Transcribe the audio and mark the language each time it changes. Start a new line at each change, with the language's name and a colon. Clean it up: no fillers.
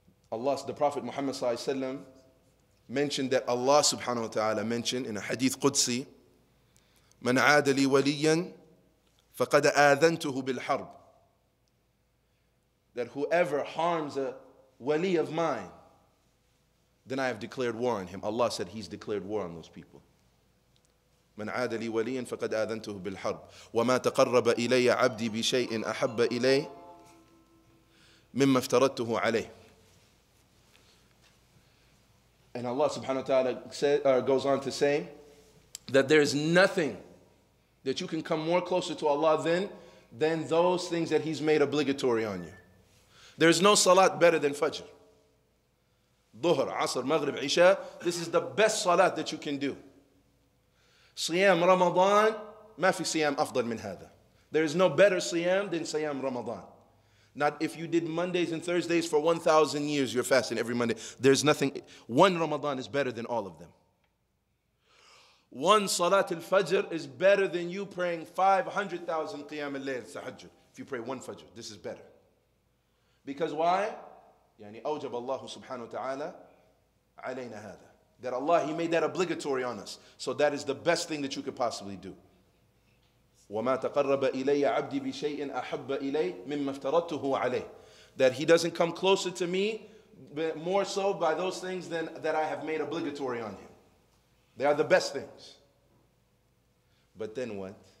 English: Allah, the Prophet Muhammad sallallahu alayhi wa sallam mentioned that Allah subhanahu wa ta'ala mentioned in a hadith Qudsi,
Arabic: من عاد لي وليا فقد آذنته بالحرب.
English: That whoever harms a wali of mine, then I have declared war on him. Allah said he's declared war on those people.
Arabic: من عاد لي وليا فقد آذنته بالحرب وما تقرب إلي عبدي بشيء أحب إلي مما افترضته عليه.
English: And Allah subhanahu wa ta'ala goes on to say that there is nothing that you can come more closer to Allah than those things that He's made obligatory on you. There is no salat better than Fajr. Dhuhr, Asr, Maghrib, Isha, this is the best salat that you can do.
Arabic: Siyam Ramadan, ma fi siyam afdal min hadha.
English: There is no better siyam than siyam Ramadan. Not if you did Mondays and Thursdays for 1,000 years, you're fasting every Monday. There's nothing, one Ramadan is better than all of them. One Salat al-Fajr is better than you praying 500,000 Qiyam al-Layl, Tahajjud. If you pray one Fajr, this is better. Because why?
Arabic: يعني أوجب الله سبحانه وتعالى علينا هذا.
English: That Allah, He made that obligatory on us. So that is the best thing that you could possibly do.
Arabic: وَمَا تَقَرَّبَ إِلَيَّ عَبْدِي بِشَيْءٍ أَحَبَّ إِلَيْهِ مِمَّ افْتَرَدْتُهُ عَلَيْهِ
English: That He doesn't come closer to me, but more so by those things than that I have made obligatory on Him. They are the best things. But then what?